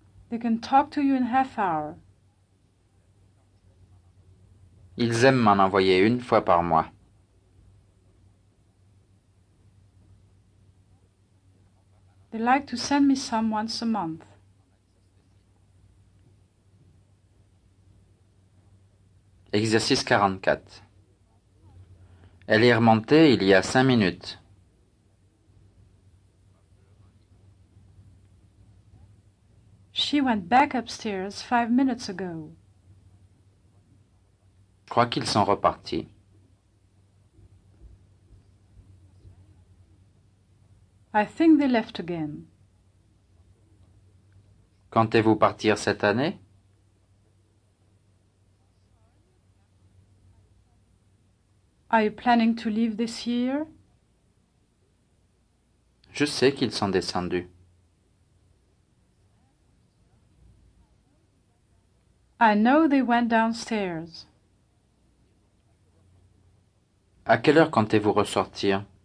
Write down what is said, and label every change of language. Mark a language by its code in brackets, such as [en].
[en] They can talk to you in half hour. [fr] Ils aiment m'en envoyer une fois par mois. [en] They like to send me some once a month. [fr] Exercice 44. Elle est remontée il y a 5 minutes. [en] She went back upstairs 5 minutes ago. [fr] Je crois qu'ils sont repartis. [en] I think they left again. [fr] Comptez-vous partir cette année? [en] Are you planning to leave this year? [fr] Je sais qu'ils sont descendus. [en] I know they went downstairs. [fr] À quelle heure comptez-vous ressortir?